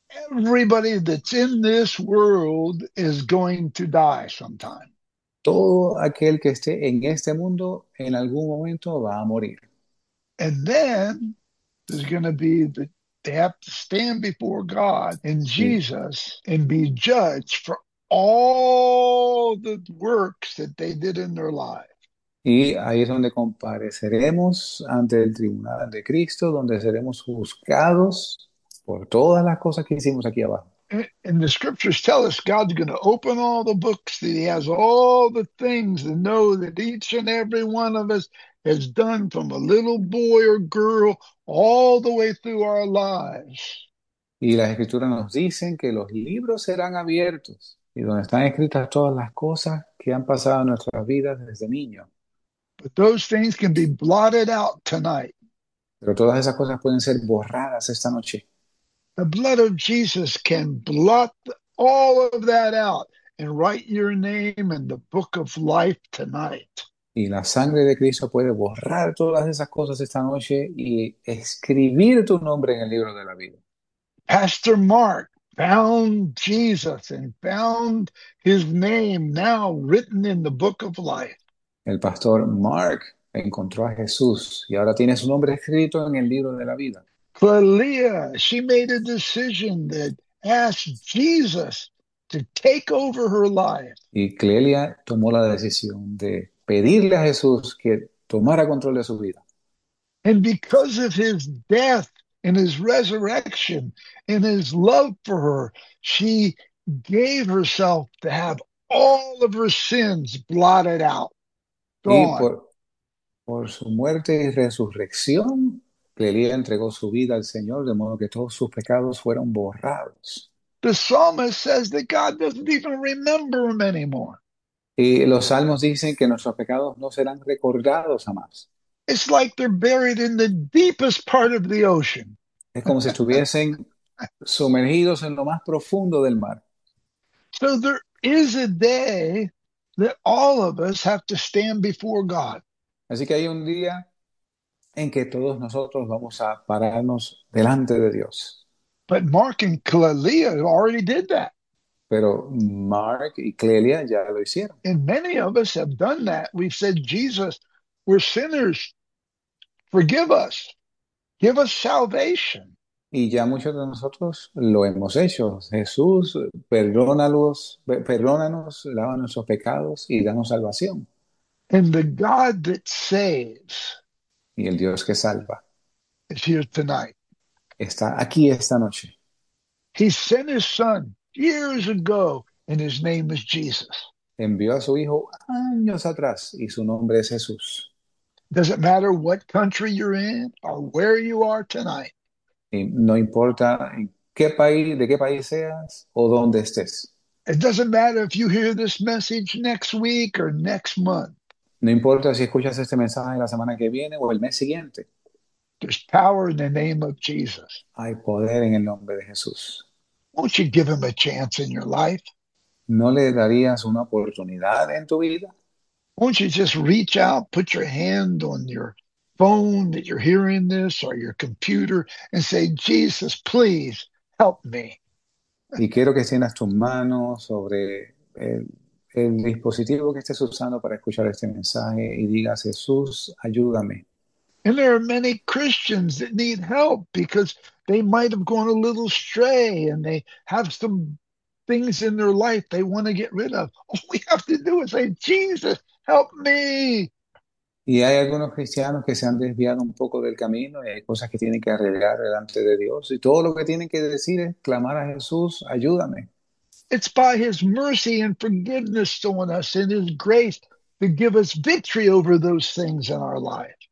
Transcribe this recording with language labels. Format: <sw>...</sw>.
<en>Everybody that's in this world is going to die sometime.</en> <es>Todo aquel que esté en este mundo en algún momento va a morir.</es> <en>And then there's going to be that they have to stand before God and</en> <es>Sí.</es> <en>Jesus and be judged for all the works that they did in their lives.</en> <es>Y ahí es donde compareceremos ante el tribunal de Cristo, donde seremos juzgados por todas las cosas que hicimos aquí abajo.</es> <en>And the scriptures tell us God's going to open all the books, that he has all the things to know that each and every one of us has done from a little boy or girl all the way through our lives.</en> <es>Y las escrituras nos dicen que los libros serán abiertos y donde están escritas todas las cosas que han pasado en nuestras vidas desde niño.</es> <en>But those things can be blotted out tonight.</en> <es>Pero todas esas cosas pueden ser borradas esta noche.</es> <en>The blood of Jesus can blot all of that out and write your name in the book of life tonight.</en> <es>Y la sangre de Cristo puede borrar todas esas cosas esta noche y escribir tu nombre en el libro de la vida.</es> <en>Pastor Mark found Jesus and found his name now written in the book of life.</en> <es>El pastor Mark encontró a Jesús y ahora tiene su nombre escrito en el libro de la vida.</es> <en>Clelia, she made a decision that asked Jesus to take over her life.</en> <es>Y Clelia tomó la decisión de pedirle a Jesús que tomara control de su vida.</es> <en>And because of his death and his resurrection and his love for her, she gave herself to have all of her sins blotted out,</en> <es>Y</es> <en>gone.</en> <es>por su muerte y resurrección, Clelia entregó su vida al Señor, de modo que todos sus pecados fueron borrados.</es> <en>The psalmist says that God doesn't even remember him anymore.</en> <es>Y los salmos dicen que nuestros pecados no serán recordados jamás.</es> <en>It's like they're buried in the deepest part of the ocean.</en> <es>Es como si estuviesen sumergidos en lo más profundo del mar.</es> <en>So there is a day that all of us have to stand before God.</en> <es>Así que hay un día en que todos nosotros vamos a pararnos delante de Dios.</es> <en>But Mark and Clelia already did that.</en> <es>Pero Mark y Clelia ya lo hicieron.</es> <en>And many of us have done that. We've said, Jesus, we're sinners. Forgive us. Give us salvation.</en> <es>Y ya muchos de nosotros lo hemos hecho. Jesús, perdónanos, lava nuestros pecados y danos salvación.</es> <en>And the God that saves</en> <es>Y el Dios que salva</es> <en>is here tonight.</en> <es>está aquí esta noche.</es> <en>He sent his son years ago, and his name is Jesus.</en> <es>Envió a su hijo años atrás y su nombre es Jesús.</es> <en>Does it matter what country you're in or where you are tonight?</en> <es>Y no importa en qué país, de qué país seas o dónde estés.</es> <en>It doesn't matter if you hear this message next week or next month.</en> <es>No importa si escuchas este mensaje la semana que viene o el mes siguiente.</es> <en>There's power in the name of Jesus.</en> <es>Hay poder en el nombre de Jesús.</es> <en>Won't you give him a chance in your life?</en> <es>¿No le darías una oportunidad en tu vida?</es> <en>Won't you just reach out, put your hand on your phone that you're hearing this or your computer and say, Jesus, please help me.</en> <es>Y quiero que extiendas tu mano sobre el dispositivo que estés usando para escuchar este mensaje y digas, Jesús, ayúdame.</es> <en>And there are many Christians that need help because they might have gone a little astray and they have some things in their life they want to get rid of. All we have to do is say, Jesus, help me.</en> <es>Y hay algunos cristianos que se han desviado un poco del camino y hay cosas que tienen que arreglar delante de Dios y todo lo que tienen que decir es clamar a Jesús, ayúdame.</es> <en>It's by his mercy and forgiveness on us and his grace to give us victory over those things in our life.</en>